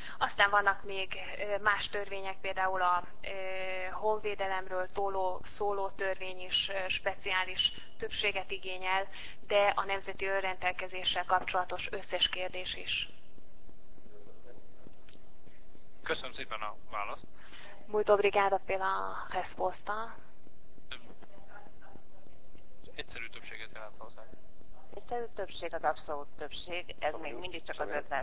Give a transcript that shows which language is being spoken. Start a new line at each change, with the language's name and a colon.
Hungarian: Aztán vannak még más törvények, például a honvédelemről szóló törvény is speciális többséget igényel, de a nemzeti önrendelkezéssel kapcsolatos összes kérdés is. Köszönöm szépen a választ.
Portuguese: Muito obrigada pela resposta.
Hungarian: Egyszerű többséget jelent hozzá. Egyszerű többség az abszolút többség, ez még mindig csak az 50%.